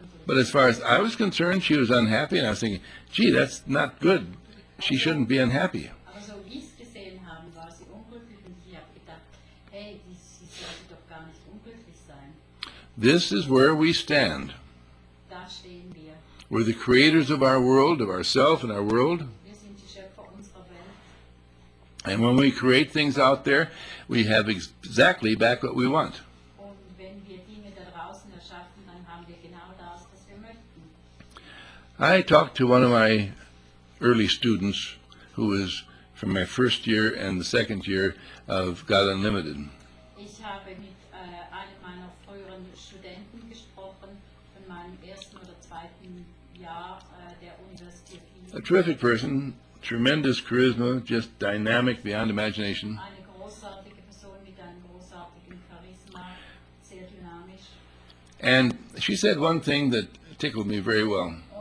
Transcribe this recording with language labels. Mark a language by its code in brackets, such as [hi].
[en] But as far as I was concerned, she was unhappy, and I was thinking, gee, that's not good. She shouldn't be unhappy. [de] Also, wie sie gesehen haben, war sie unglücklich, und sie haben gedacht, hey, sie sollte doch gar nicht unglücklich sein. [en] This is where we stand. [de] Da stehen wir. [en] We're the creators of our world, of ourselves and our world. [de] Wir sind die Schöpfer unserer Welt. [en] And when we create things out there, we have exactly back what we want. [de] Und wenn wir Dinge da draußen erschaffen, dann haben wir genau das, was wir möchten. [en] I talked to one of my early students, who was from my first year and the second year of God Unlimited. [de] Ich habe mit einem meiner früheren Studenten gesprochen von meinem ersten oder zweiten Jahr der Universität. [en] A terrific person, tremendous charisma, just dynamic beyond imagination. [de] Eine großartige Person mit einem großartigen Charisma, sehr dynamisch. [en] And she said one thing that tickled me very well.